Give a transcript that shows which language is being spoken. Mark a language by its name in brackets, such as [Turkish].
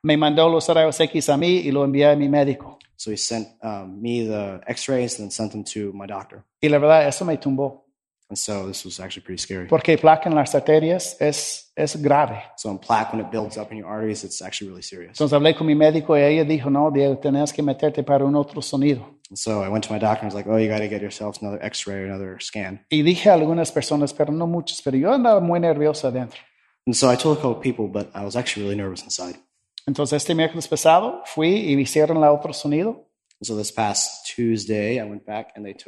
[Spanish] Me mandó los rayos X a mí y lo envié a mi médico. [English] So he sent me the x-rays and sent them to my doctor. [Spanish] Y la verdad, eso me tumbó. [English] And so this was actually pretty scary. [Spanish] Porque placa en las arterias es grave. [English] So in plaque, when it builds up in your arteries, it's actually really serious. [Spanish] Entonces hablé con mi médico y ella dijo, no, Diego, tenés que meterte para un otro sonido. [English] And so I went to my doctor and was like, oh, you got to get yourself another x-ray or another scan. [Spanish] Y dije a algunas personas, pero no muchas, pero yo andaba muy nervioso adentro. [English] And so I told a couple of people, but I was actually really nervous inside. [Spanish] Entonces este miércoles pasado fui y me hicieron el otro sonido. [English] And so this past Tuesday, I went back and they took